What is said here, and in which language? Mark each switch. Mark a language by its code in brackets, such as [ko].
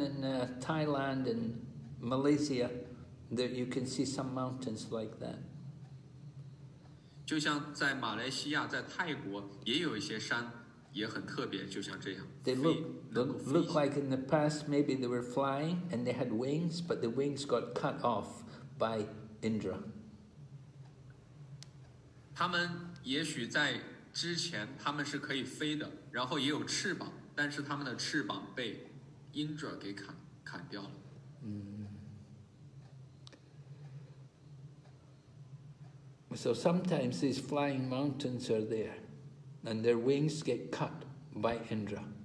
[en] in Thailand and Malaysia, there you can see some mountains like that. [zh] 就像在马来西亚，在泰国也有一些山。 [en] They look like in the past maybe they were flying and they had wings, but the wings got cut off by Indra. [zh] 他们也许在之前他们是可以飞的，然后也有翅膀，但是他们的翅膀被 Indra 给砍掉了。 [en] So sometimes these flying mountains are there, and their wings get cut by Indra.